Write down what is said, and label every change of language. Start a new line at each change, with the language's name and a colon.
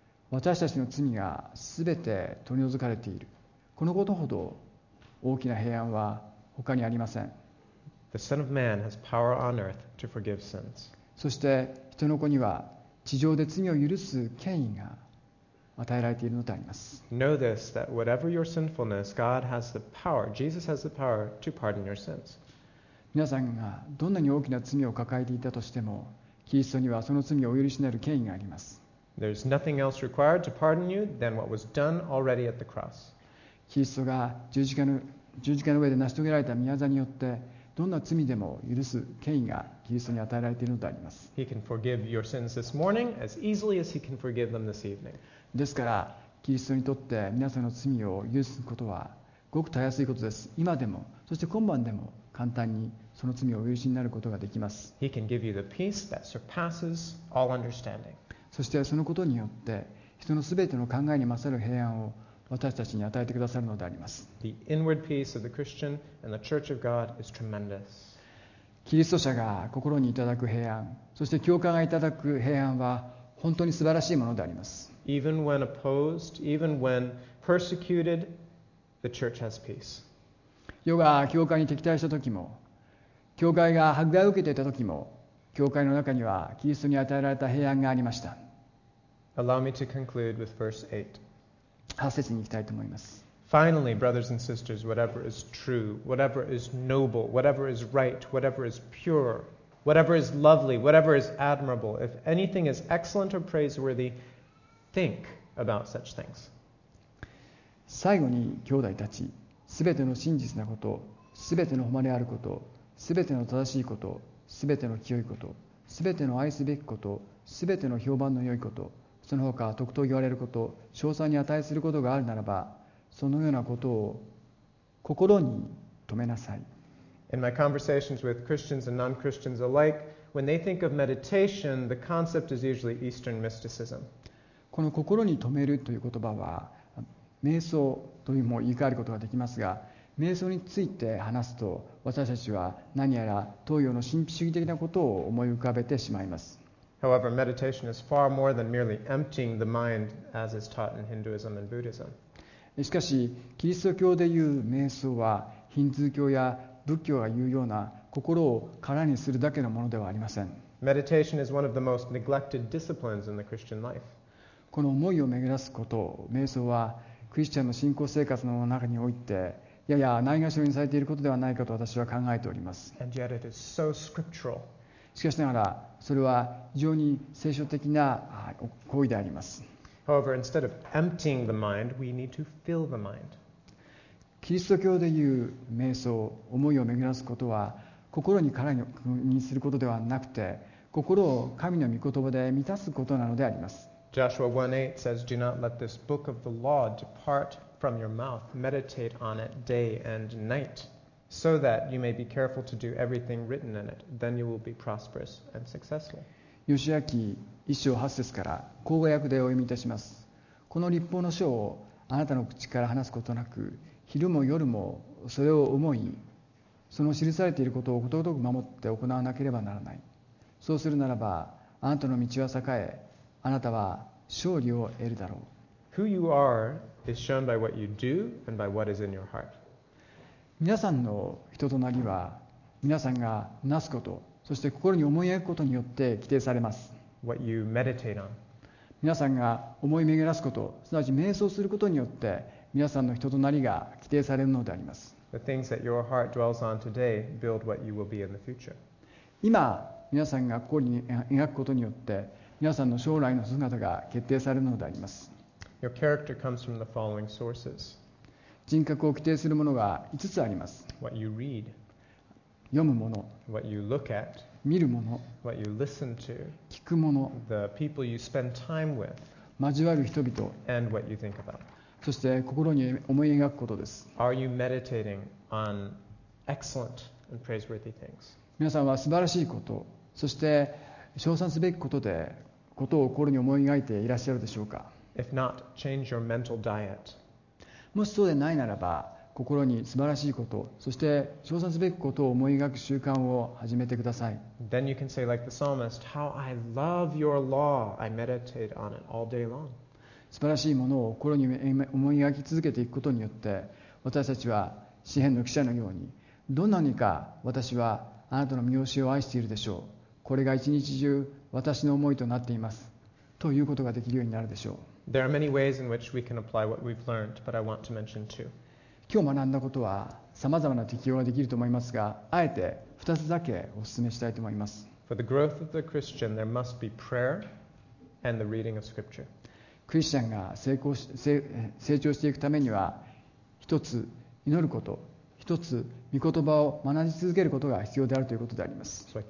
Japanese: 私たちの罪がすべて取り除かれている。このことほど大きな平安は他にありません。
English: The Son of Man has power on earth to forgive sins.
Japanese: そして人の子には地上で罪を許す権威が与えられているのであります。
English: Know this, that whatever your sinfulness, God has the power, Jesus has the power to pardon your sins.
Japanese: 皆さんがどんなに大きな罪を抱えていたとしても、キリストにはその罪をお許しになる権威があります。
English: There's nothing else required to pardon you than what was done already at the cross.
Japanese: キリストが十字架の上で成し遂げられた御業によって、どんな罪でも許す権威がキリストに与えられているのであります。
English: He can forgive your sins this morning as easily as he can forgive them this evening.
Japanese: ですから、キリストにとって皆さんの罪を許すことはごくたやすいことです。今でも、そして今晩でも、簡単にその罪をお許しになることができます。
English: He can give you the peace that surpasses all understanding.
Japanese: そしてそのことによって人のすべての考えに勝る平安を私たちに与えてくださるのであります。
English: The inward peace of the Christian and the Church of God is tremendous.
Japanese: キリスト者が心にいただく平安、そして教会がいただく平安は本当に素晴らしいものであります。
English: Even when opposed, even when persecuted, the Church has peace.
Japanese: 世が教会に敵対した時も、教会が迫害を受けていた時も、教会の中にはキリストに与えられた平安がありました。
English: Allow me to conclude with verse 8.
Japanese: 8節に行きたいと思います。
English: Finally, brothers and sisters, whatever is true, whatever is noble, whatever is right, whatever is pure, whatever is lovely, whatever is admirable, if anything is excellent or praiseworthy, think about such things.
Japanese: 最後に兄弟たち。すべての真実なこと、すべての誉れあること、すべての正しいこと、すべての清いこと、すべての愛すべきこと、すべての評判の良いこと、その他徳と言われること、称賛に値することがあるならば、そのようなことを心に留めなさい。
English: In my conversations with Christians and non-Christians alike, when they think of meditation, the concept is usually Eastern mysticism.
Japanese: この心に留めるという言葉は、瞑想というのも言い換えることができますが、瞑想について話すと、私たちは何やら東洋の神秘主義的なことを思い浮かべてしまいます。
English: However, meditation is far more than merely emptying the mind as is taught in Hinduism and Buddhism.
Japanese: しかし、キリスト教でいう瞑想は、ヒンズー教や仏教が言うような心を空にするだけのものではありません。
English: Meditation is one of the most neglected disciplines in the Christian life.
Japanese: この思いを巡らすこと、瞑想は、クリスチャンの信仰生活の中においてややないがしろにされていることではないかと私は考えております。
English: And yet it is so scriptural.
Japanese: しかしながらそれは非常に聖書的な行為であります。
English: However, instead of emptying the mind, we need to fill the mind.
Japanese: キリスト教でいう瞑想、思いを巡らすことは心に空にすることではなくて心を神の御言葉で満たすことなのであります。
English: Joshua 1:8 says, Do not let this book of the law depart from your mouth. Meditate on it day and night, so that you may be careful to do everything written in it. Then you will be prosperous and successful.
Japanese: ヨシア記一章八節から口語訳でお読みいたします。この律法の書をあなたの口から話すことなく、昼も夜もそれを思い、その記されていることをことごとく守って行わなければならない。そうするならば、あなたの道は栄え、あなたは勝利を得るだろう。
English: Who you are is shown by what you do and by what is in your heart.
Japanese: 皆さんの人となりは、皆さんがなすこと、そして心に思い描くことによって規定されます。
English: What you meditate on.
Japanese: 皆さんが思い巡らすこと、すなわち瞑想することによって、皆さんの人となりが規定されるのであります。
English: The things that your heart dwells on today build what you will be in the future.
Japanese: 今、皆さんが心に描くことによって、皆さんの将来の姿が決定されるのであります。
English: Your character comes from the following sources.
Japanese: 人格を規定するものが5つあります。
English: What you read.
Japanese: 読むもの。
English: What you look at.
Japanese: 見るもの。
English: What you listen to.
Japanese: 聞くもの。
English: The people you spend time with.
Japanese: 交わる人々。
English: And what you think about.
Japanese: そして心に思い描くことです。
English: Are you meditating on excellent and praiseworthy things?
Japanese: 皆さんは素晴らしいこと、そして称賛すべきことで、ことを心に思い描いていらっしゃるでしょうか。
English: If not, change your mental diet.
Japanese: もしそうでないならば、心に素晴らしいこと、そして称賛すべきことを思い描く習慣を始めてください。
English: Then you can say like the psalmist, How I love your law, I meditate on it all day long.
Japanese: 素晴らしいものを心に思い描き続けていくことによって、私たちは詩篇の記者のように、どんなにか私はあなたの御教えを愛しているでしょう。これが一日中私の思いとなっています。ということができるようになるでしょう。
English: There are many ways in which we can apply what we've learned, but I want to mention two.
Japanese: 今日学んだことは様々な適用ができると思いますが、あえて二つだけお勧めしたいと思います。
English: For the growth of the Christian, there must be prayer and the reading of Scripture.
Japanese: クリスチャンが成長していくためには、一つ祈ること、一つ御言葉を学び続けることが必要であるということであります。